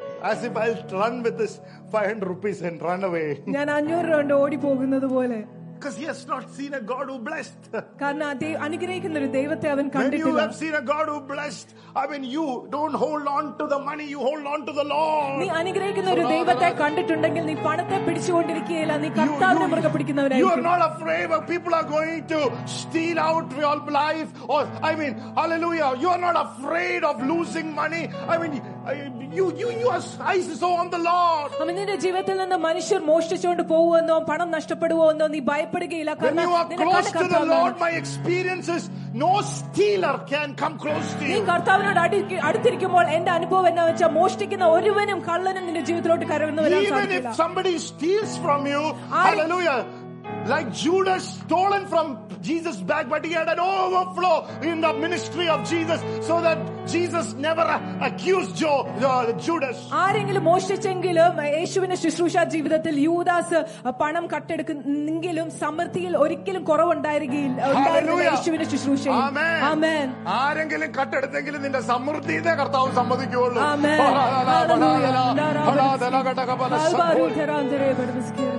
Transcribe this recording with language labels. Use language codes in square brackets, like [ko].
[en] As if I'll run with this 500 rupees and run away. [ml] ഞാൻ 500 കൊണ്ട് ഓടി പോകുന്നത് പോലെ. [en] Because he has not seen a God who blessed. [ml] കാരണം ദൈവം അനുഗ്രഹിക്കുന്ന ഒരു ദൈവത്തെ അവൻ കണ്ടിട്ടില്ല. [en] When you have seen a God who blessed, I mean, you don't hold on to the money, you hold on to the Lord. [ml] നീ അനുഗ്രഹിക്കുന്ന ഒരു ദൈവത്തെ കണ്ടിട്ടുണ്ടെങ്കിൽ നീ പണത്തെ പിടിച്ചുകൊണ്ടിരിക്കുകയല്ല, നീ കർത്താവിനെ മുറുകെ പിടിക്കുന്നവനായിരിക്കും. [en] You are not afraid of people are going to steal out your life, or I mean, hallelujah, you are not afraid of losing money. I mean, you are eyes so on the Lord. [ml] അമ്മേ നിന്റെ ജീവിതത്തിൽ നിന്ന് മനുഷ്യർ മോഷ്ടിച്ചുകൊണ്ട് പോകുമെന്നോ പണം നഷ്ടപ്പെടുമെന്നോ നീ ഭയപ്പെടുകയില്ല. കാരണം [en] you are close to the Lord. My experiences, no stealer can come close to you. [ml] നീ കർത്താവിനോട് അടുത്തിരിക്കുമ്പോൾ എന്റെ അനുഭവം എന്നാ വെച്ചാ മോഷ്ടിക്കുന്ന ഒരുവനും കള്ളനും നിന്റെ ജീവിതത്തിലോട്ട് കയറുന്നവരാണ് സാധ്യത. [en] Even if somebody steals from you, hallelujah, like Judas stolen from Jesus back, but he had an overflow in the ministry of Jesus, so that Jesus never accused Judas. [ml] ആരെങ്കിലും മോഷ്ടിച്ചെങ്കിലും യേശുവിന്റെ ശുശ്രൂഷ ജീവിതത്തിൽ യൂദാസ് പണം കട്ടെടുക്കുന്നെങ്കിലും സമൃദ്ധിയിൽ ഒരിക്കലും കുറവുണ്ടായിരിക്കില്ല യേശുവിന്റെ ശുശ്രൂഷ. ആരെങ്കിലും കട്ടെടുത്തെങ്കിലും നിന്റെ സമൃദ്ധി കർത്താവ് സമ്മതിക്കുകയുള്ളൂ.